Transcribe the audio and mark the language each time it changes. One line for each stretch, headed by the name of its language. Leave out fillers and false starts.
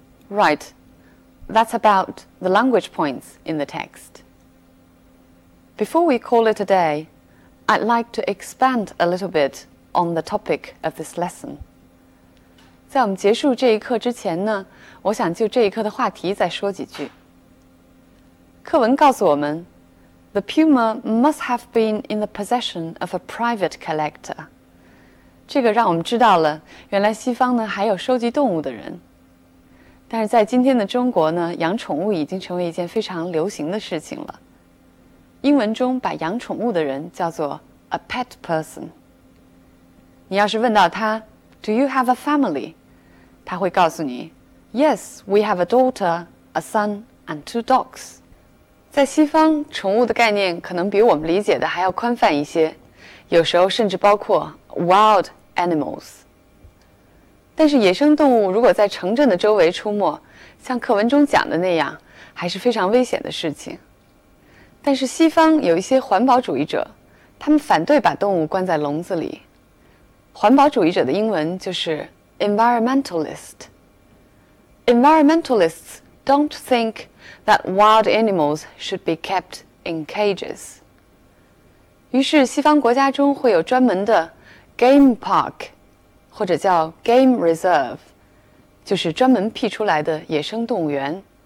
English: Right, that's about the language points in the text. Before we call it a day, I'd like to expand a little bit on the topic of this lesson.
Chinese: 在我们结束这一课之前呢，我想就这一课的话题再说几句。课文告诉我们
English: ,the puma must have been in the possession of a private collector.
Chinese: 这个让我们知道了，原来西方呢还有收集动物的人。但是在今天的中国呢，养宠物已经成为一件非常流行的事情了。英文中把养宠物的人叫做 a pet person。你要是问到他
English: Do you have a family?
Chinese: 他会告诉你
English: Yes, we have a daughter, a son, and two dogs.
Chinese: 在西方，宠物的概念可能比我们理解的还要宽泛一些，有时候甚至包括 wild animals。但是野生动物如果在城镇的周围出没，像课文中讲的那样，还是非常危险的事情。但是西方有一些环保主义者，他们反对把动物关在笼子里。环保主义者的英文就是 environmentalist。
English: Environmentalists don't think that wild animals should be kept in cages。
Chinese: 于是西方国家中会有专门的 game park 或者叫 game reserve， 就是专门辟出来的野生动物园。